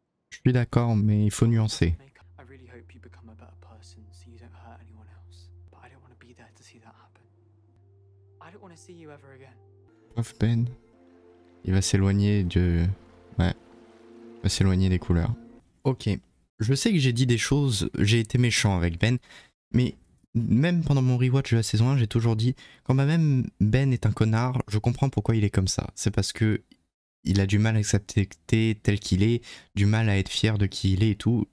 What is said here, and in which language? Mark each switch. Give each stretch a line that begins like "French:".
French: Je suis d'accord, mais il faut nuancer.
English: I really hope you become a better person so you don't hurt anyone else. But I don't want to be there to see that happen. I don't want to see you ever again.
French: Pauvre Ben. Il va s'éloigner de... Ouais. Il va s'éloigner des couleurs. Ok. Je sais que j'ai dit des choses, j'ai été méchant avec Ben. Mais même pendant mon rewatch de la saison 1, j'ai toujours dit, quand même Ben est un connard, je comprends pourquoi il est comme ça. C'est parce que il a du mal à accepter tel qu'il est, du mal à être fier de qui il est et tout.